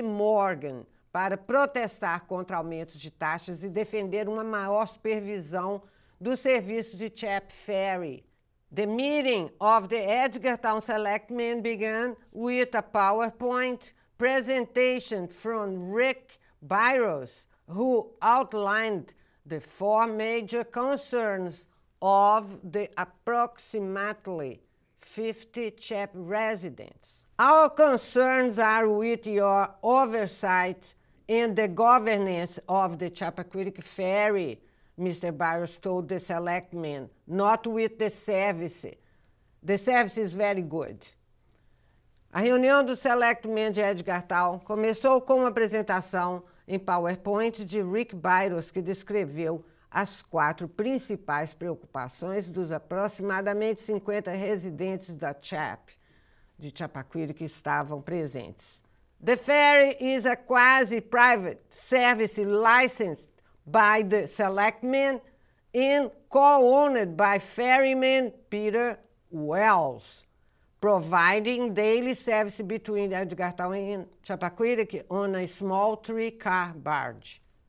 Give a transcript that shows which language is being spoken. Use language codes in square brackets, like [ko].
[pt] Morgan para protestar contra aumentos de taxas e defender uma maior supervisão do serviço de CHAP ferry. [en] The meeting of the Edgartown Selectmen began with a PowerPoint presentation from Rick Byros, who outlined the four major concerns of the approximately 50 CHEP residents. Our concerns are with your oversight in the governance of the Chappaquiddick Ferry, Mr. Byros told the selectmen, not with the service. The service is very good. [pt] A reunião do selectmen de Edgar Tal começou com uma apresentação em PowerPoint de Rick Byros, que descreveu as quatro principais preocupações dos aproximadamente 50 residentes da CHAP, de Chappaquiddick, que estavam presentes. [en] The ferry is a quasi-private service licensed by the selectmen and co-owned by ferryman Peter Wells, providing daily service between Edgar Tal and Chappaquiddick on a small three-car barge.